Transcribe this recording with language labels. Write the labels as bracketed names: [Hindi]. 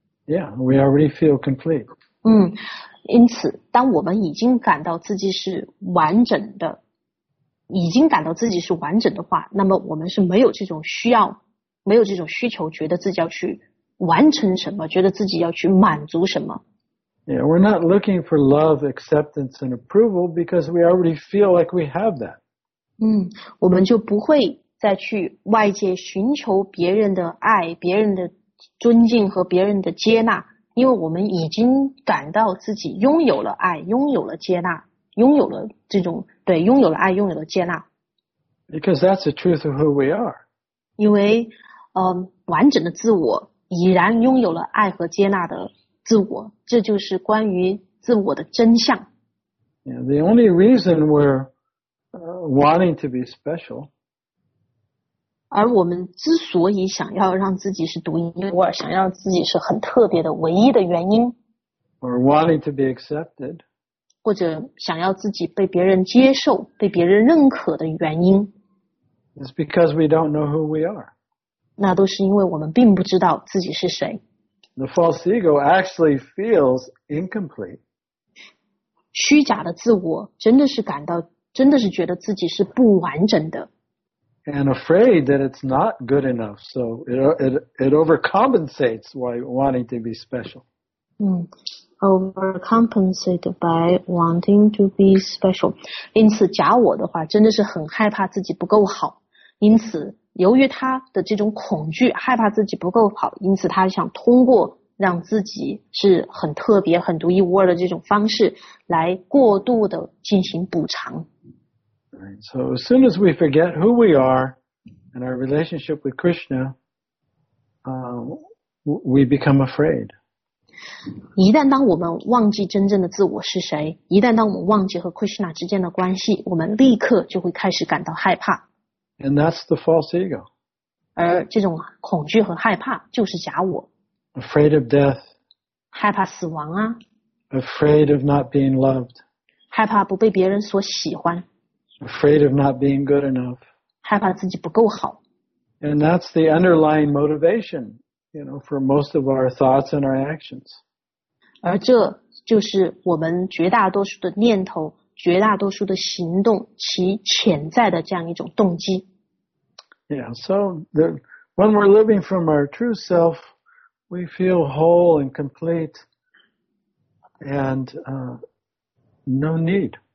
[English] Yeah, we already feel complete. [Chinese] 因此，当我们已经感到自己是完整的，已经感到自己是完整的话，那么我们是没有这种需要，没有这种需求，觉得自己要去完成什么，觉得自己要去满足什么。 [English] Yeah, we're not looking for love, acceptance, and approval because we already feel like we have that. [Chinese] 我们就不会再去外界寻求别人的爱、别人的尊敬和别人的接纳，因为我们已经感到自己拥有了爱、拥有了接纳、拥有了这种，对，拥有了爱、拥有了接纳。 [English] Because that's the truth of who we are. [Chinese] 因为，完整的自我已然拥有了爱和接纳的自我，这就是关于自我的真相。 [English] Yeah, the only reason we're wanting to be special, [Chinese] 而我们之所以想要让自己是独一无二，想要自己是很特别的，唯一的原因 [English] ，or wanting to be accepted, [Chinese] 或者想要自己被别人接受、被别人认可的原因 [English] ，is because we don't know who we are. [Chinese] 那都是因为我们并不知道自己是谁。 [English] The false ego actually feels incomplete. [Chinese] 虚假的自我真的是感到，真的是觉得自己是不完整的。 [English] And afraid that it's not good enough, so it overcompensates by wanting to be special. Overcompensate by wanting to be special. [Chinese] 因此，假我的话真的是很害怕自己不够好，因此。由于他的这种恐惧，害怕自己不够好，因此他想通过让自己是很特别、很独一无二的这种方式来过度的进行补偿。 [English] Right. So as soon as we forget who we are and our relationship with Krishna, we become afraid. [Chinese] 一旦当我们忘记真正的自我是谁，一旦当我们忘记和 Krishna 之间的关系，我们立刻就会开始感到害怕。 [English] And that's the false ego. [Chinese] 而这种恐惧和害怕就是假我。 [English] Afraid of death. [Chinese] 害怕死亡啊。 [English] Afraid of not being loved. [Chinese] 害怕不被别人所喜欢。 [English] Afraid of not being good enough. [Chinese] 害怕自己不够好。 [English] And that's the underlying motivation, for most of our thoughts and our actions. [Chinese] 而这就是我们绝大多数的念头。绝大多数的行动，其潜在的这样一种动机。 [English] Yeah, so when we're living from our true self, we feel whole and complete, and no need.